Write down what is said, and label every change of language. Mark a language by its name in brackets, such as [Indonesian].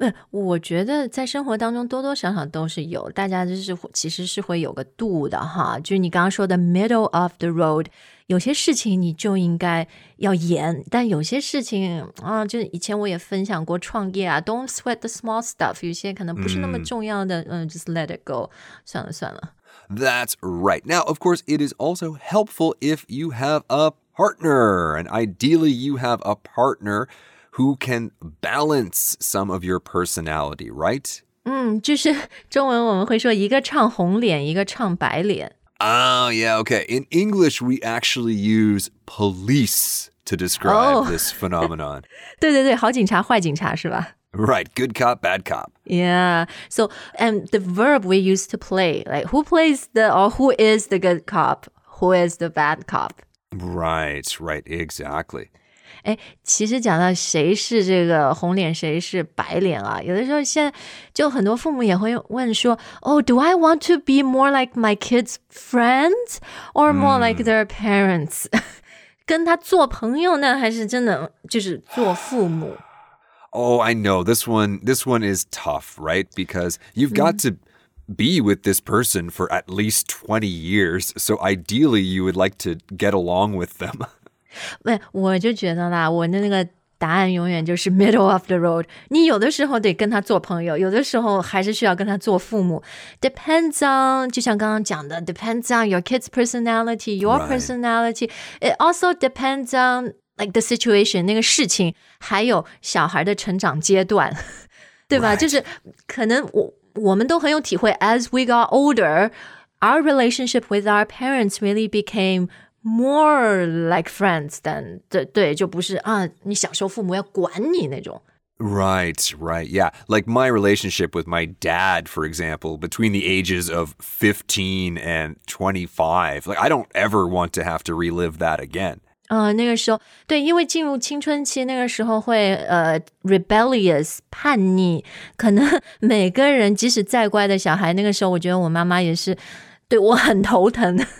[Chinese] 我觉得在生活当中多多少少都是有，大家就是其实是会有个度的哈，就是你刚刚说的 [English] middle of the road, [Chinese] 有些事情你就应该要严，但有些事情啊，就以前我也分享过创业啊， [English] don't sweat the small stuff, [Chinese] 有些可能不是那么重要的、mm. [English] just let it go, [Chinese] 算了算了。 [English] That's right. Now, of course, it is also helpful if you have a partner, and ideally you have a partner,who can balance some of your personality, right? [Chinese] 就是中文我们会说一个唱红脸，一个唱白脸。 [English] Oh, yeah, okay. In English, we actually use police to describe、 oh. this phenomenon. [Chinese] 对对对，好警察，坏警察，是吧？ [English] Right, good cop, bad cop. Yeah, so, and the verb we use to play, like who plays the, or who is the good cop, who is the bad cop? Right, right, exactly. [Chinese] 哎，其实讲到谁是这个红脸，谁是白脸啊？有的时候现在就很多父母也会问说 [English] ，Oh, do I want to be more like my kids' friends or more like their parents?、Mm. [Chinese] 跟他做朋友呢，还是真的就是做父母 [English] ？Oh, I know this one is tough, right? Because you've got to be with this person for at least 20 years. So ideally, you would like to get along with them. [Chinese] 我就觉得啦，我的那个答案永远就是 [English] middle of the road. [Chinese] 你有的时候得跟他做朋友，有的时候还是需要跟他做父母。 [English] Depends on, [Chinese] 就像刚刚讲的 [English] ,depends on your kid's personality, your personality.、 Right. It also depends on, like, the situation, [Chinese] 那个事情，还有小孩的成长阶段。对吧、 [English] right. [Chinese] 就是可能我们都很有体会 [English] ,as we got older, our relationship with our parents really became,More like friends than, [Chinese] 对就不是啊，你小时候父母要管你那种。 [English] Right, right, yeah. Like my relationship with my dad, for example, between the ages of 15 and 25, like I don't ever want to have to relive that again. [Chinese] 那个时候，对，因为进入青春期，那个时候会rebellious, 叛逆，可能每个人即使再乖的小孩，那个时候我觉得我妈妈也是对我很头疼。